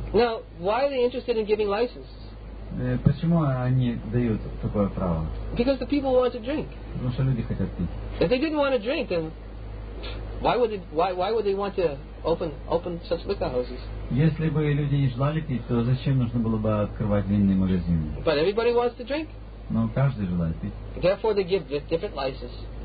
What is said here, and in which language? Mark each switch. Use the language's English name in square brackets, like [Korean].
[English] Now, why are they interested in giving license? [Russian] Почему они дают такое право? [English] Because the people want to drink. [Russian] Потому что люди хотят пить. [English] If they didn't want to drink, then why would they want to open such liquor houses? [Russian] Если бы люди не желали пить, то зачем нужно было бы открывать винные магазины? [English] But everybody wants to drink. [Russian] Но каждый желает пить. [English] Therefore, they give different licenses.